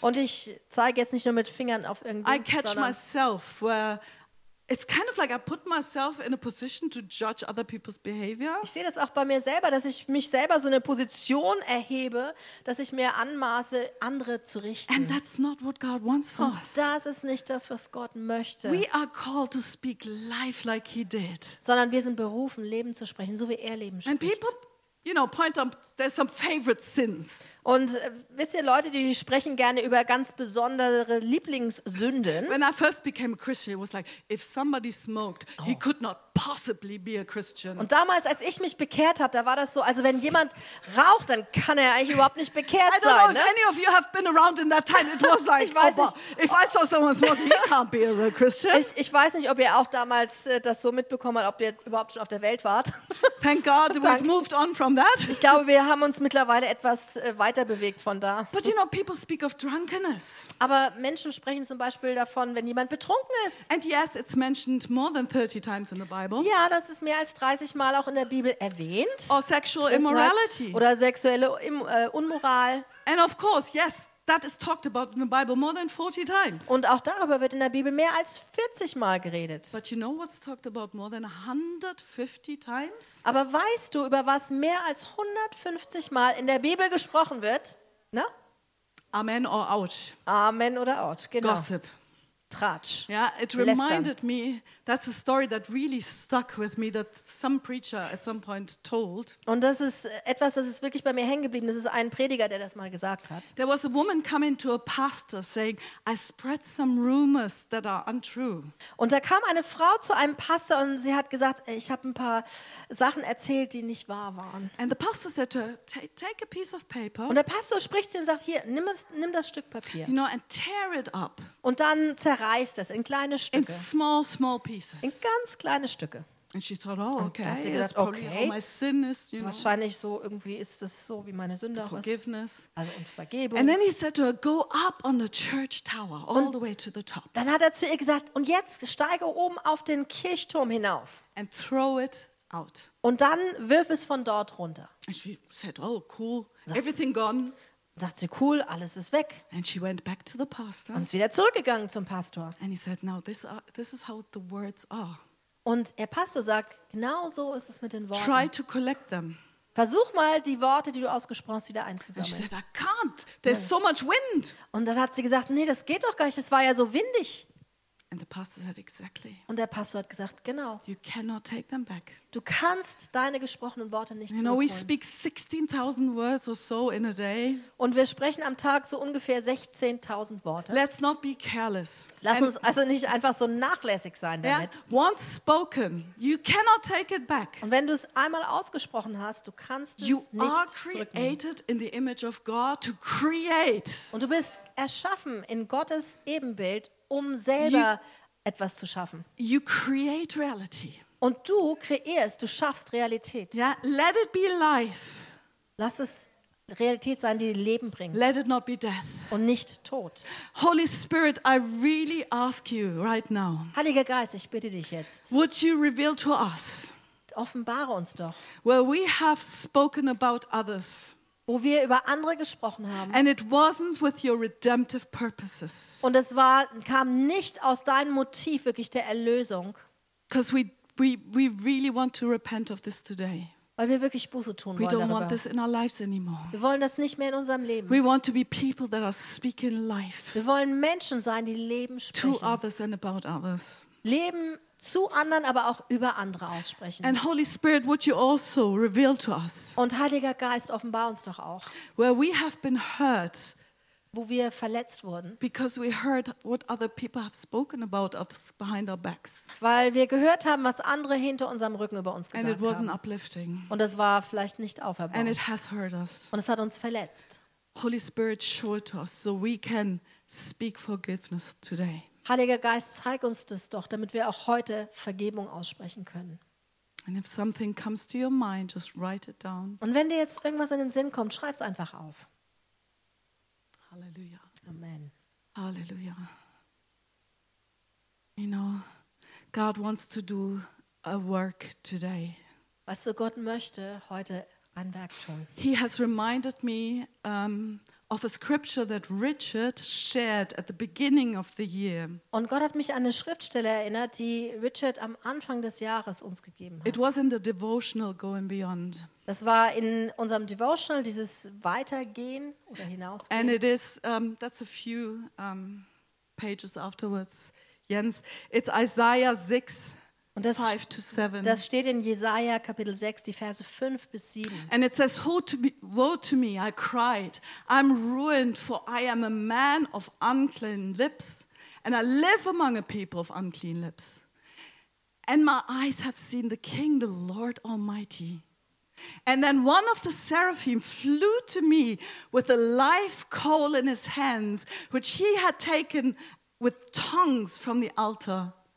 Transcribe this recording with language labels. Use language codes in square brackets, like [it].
[de] Und ich zeige jetzt nicht nur mit Fingern auf irgendwen. [en] I catch myself where it's kind of like I put myself in a position to judge other people's behavior. [de] Ich sehe das auch bei mir selber, dass ich mich selber so eine Position erhebe, dass ich mir anmaße, andere zu richten. [en] And that's not what God wants for us. [de] Und das ist nicht das, was Gott möchte. [en] We are called to speak life like he did. [de] Sondern wir sind berufen, Leben zu sprechen, so wie er Leben spricht. [en] And people, you know, point out there's some favorite sins. [de] Und wisst ihr, Leute, die sprechen gerne über ganz besondere Lieblingssünden. [en] When I first became a Christian, it was like, if somebody smoked, he could not possibly be a Christian. [de] Und damals, als ich mich bekehrt habe, da war das so, also wenn jemand raucht, dann kann er eigentlich überhaupt nicht bekehrt sein. [en] I don't know, ne? If any of you have been around in that time, it was like, if I saw someone smoking, he can't be a real Christian. [de] Ich weiß nicht, ob ihr auch damals das so mitbekommen habt, ob ihr überhaupt schon auf der Welt wart. [en] Thank God, we've moved on from that. [de] Ich glaube, wir haben uns mittlerweile etwas weiter bewegt von da. [en] But you know, people speak of drunkenness. [de] Aber Menschen sprechen zum Beispiel davon, wenn jemand betrunken ist. [en] And yes, it's mentioned more than 30 times in the Bible. [de] Ja, das ist mehr als 30 Mal auch in der Bibel erwähnt. [en] Or sexual immorality. [de] Oder sexuelle Unmoral. [en] And of course, yes, that is talked about in the Bible more than 40 times. [de] Und auch darüber wird in der Bibel mehr als 40 Mal geredet. [en] But you know what's talked about more than 150 times? [de] Aber weißt du, über was mehr als 150 Mal in der Bibel gesprochen wird? Na? [en] Amen or ouch. [de] Amen oder ouch, genau. [en] Gossip. [de] Tratsch. [en] Yeah, it reminded me, that's a story that really stuck with me, that some preacher at some point told. [de] Und das ist etwas, das ist wirklich bei mir hängen geblieben. Das ist ein Prediger, der das mal gesagt hat. [en] There was a woman coming to a pastor saying, I spread some rumors that are untrue. [de] Und da kam eine Frau zu einem Pastor und sie hat gesagt, ich habe ein paar Sachen erzählt, die nicht wahr waren. [en] And the pastor said to her, take a piece of paper. [de] Und der Pastor spricht sie und sagt, hier, nimm das Stück Papier. [en] You know, and tear it up. [de] Und dann zerreißt das in kleine Stücke. [en] In small pieces. [de] In ganz kleine Stücke. [en] And she thought, oh, okay. [de] Und sie gesagt, [en] okay, my sin is, you [de] wahrscheinlich so irgendwie ist es so wie meine Sünde auch [en] Forgiveness. [de] Ist. Also und Vergebung. [en] And then he said to her, go up on the church tower all the way to the top. [de] Dann hat er zu ihr gesagt, und jetzt steige oben auf den Kirchturm hinauf. [en] And throw it out. [de] Und dann wirf es von dort runter. [en] And she said, oh, cool. Everything gone. [de] Sagt sie, cool, alles ist weg. [en] And she went back to the pastor. [de] Und ist wieder zurückgegangen zum Pastor. [en] And he said, now this is how the words are. [de] Und der Pastor sagt, genau so ist es mit den Worten. [en] Try to collect them. [de] Versuch mal, die Worte, die du ausgesprochen hast, wieder einzusammeln. [en] And she said, I can't. There's so much wind. [de] Und dann hat sie gesagt, nee, das geht doch gar nicht, das war ja so windig. [en] And the pastor said, exactly. [de] Und der Pastor hat gesagt, genau. [en] You cannot take them back. [de] Du kannst deine gesprochenen Worte nicht zurückholen. [en] You know, we speak 16,000 words or so in a day. [de] Und wir sprechen am Tag so ungefähr 16,000 Worte. [en] Let's not be careless. [de] Lass uns also nicht einfach so nachlässig sein damit. [en] Yeah, once spoken, you cannot take it back. [de] Und wenn du es einmal ausgesprochen hast, du kannst es [en] you [de] nicht zurücknehmen. [en] You are created in the image of God to create. [de] Und du bist erschaffen in Gottes Ebenbild, um selber etwas zu schaffen. [en] You create reality. [de] Und du kreierst, du schaffst Realität. [en] Yeah, let it be life. [de] Lass es Realität sein, die Leben bringt. [en] Let it not be death. [de] Und nicht Tod. [en] Holy Spirit, I really ask you right now. [de] Heiliger Geist, ich bitte dich jetzt. [en] Would you reveal to us? [de] Offenbare uns doch. [en] Where we have spoken about others. [de] Wo wir über andere gesprochen haben. [en] And it wasn't with your redemptive purposes. [de] Und es war, kam nicht aus deinem Motiv wirklich der Erlösung. [en] Because we really want to repent of this today. [de] Weil wir wirklich Buße tun [en] we [de] wollen [en] don't [de] darüber. [en] Want this in our lives anymore. [de] Wir wollen das nicht mehr in unserem Leben. [en] We want to be people that are speaking life. [de] Wir wollen Menschen sein, die Leben sprechen. [en] To others and about others. [de] Leben zu anderen, aber auch über andere aussprechen. [en] And Holy Spirit, would you also reveal to us, [de] und Heiliger Geist, offenbar uns doch auch, [en] where we have been hurt, [de] wo wir verletzt wurden, [en] because we heard what other people have spoken about us behind our backs, [de] weil wir gehört haben, was andere hinter unserem Rücken über uns gesagt [en] and it wasn't [de] haben. [en] Uplifting. [de] Und es war vielleicht nicht auferbaut. [en] And it has hurt us. [de] Und es hat uns verletzt. [en] Holy Spirit, show it to us, so we can speak forgiveness today. [de] Heiliger Geist, zeig uns das doch, damit wir auch heute Vergebung aussprechen können. [en] And if something comes to your mind, just write it down. [de] Und wenn dir jetzt irgendwas in den Sinn kommt, schreib es einfach auf. Halleluja. Amen. Halleluja. [en] You know, God wants to do a work today. [de] Weißt du, Gott möchte heute ein Werk tun. [en] He has reminded me of a scripture that Richard shared at the beginning of the year. [de] Und Gott hat mich an eine Schriftstelle erinnert, die Richard am Anfang des Jahres uns gegeben hat. [en] It was in the devotional Going Beyond. [de] Das war in unserem Devotional dieses Weitergehen oder Hinausgehen. [en] And it is that's a few pages afterwards, Jens. It's Isaiah 6. [de] Und das, [en] 5 to 7. [de] Das steht in Jesaja Kapitel 6, die Verse 5 bis 7. [en] And it says, woe to me, I cried. I'm ruined, for I am a man of unclean lips, and I live among a people of unclean lips. And my eyes have seen the King, the Lord Almighty. And then one of the seraphim flew to me with a live coal in his hands, which he had taken with tongs from the altar.